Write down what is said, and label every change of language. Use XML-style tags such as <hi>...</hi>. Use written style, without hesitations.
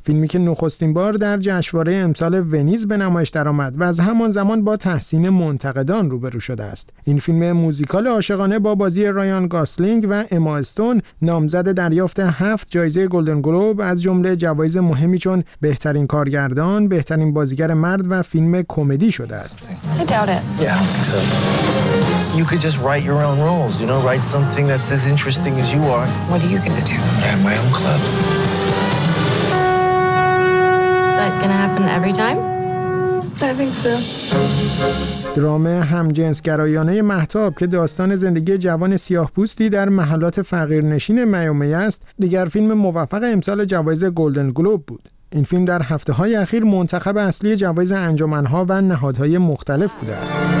<fa>فیلمی که نخستین بار در جشنواره امسال ونیز به نمایش درآمد و از همان زمان با تحسین منتقدان روبرو شده است. این فیلم موزیکال عاشقانه با بازی رایان گاسلینگ و اما استون نامزد دریافت 7 جایزه گلدن گلوب از جمله جوایز مهمی چون بهترین کارگردان، بهترین بازیگر مرد و فیلم کمدی شده است.</fa> <en>So you could just write your own roles, you know, write something that's as interesting as you are. What are you going to do? I have my own club. Is that going to happen every time? I think so.</en> <fa>درام همجنسگرایانه مهتاب که داستان زندگی جوان سیاه‌پوستی در محلات فقیرنشین میامی است، دیگر فیلم موفق امسال جوایز گلدن گلوب بود. این فیلم در هفته‌های اخیر منتخب اصلی جوایز انجمن‌ها و نهادهای مختلف بوده است.</fa>